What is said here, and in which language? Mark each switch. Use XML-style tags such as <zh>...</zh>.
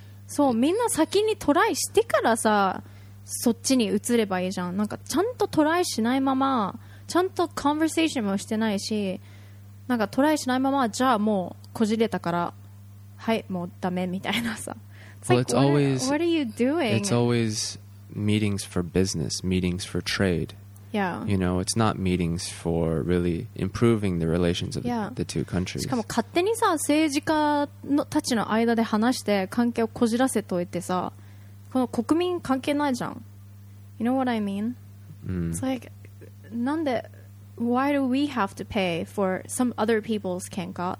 <ja>そう、みんな先にトライしてからさ、そっちに移ればいいじゃん。なんか、ちゃんとトライしないまま、ちゃんとコンバーセーションもしてないし、なんかトライしないまま、じゃあもう、こじれたからはいもうダメみたいなさ。</ja> <en>It's well, it's like, always, what are you doing? It's always meetings for business, meetings for trade. Yeah. You know, it's not meetings for really improving the relations of the two countries.</en> <ja>しかも勝手にさ政治家のたちの間で話して関係をこじらせといてさ、この国民関係ないじゃん。</ja> <en>You know what I mean? It's like,</en> <ja>なんで</ja> <en>why do we have to pay for some other people's</en> <ja>喧嘩?</ja>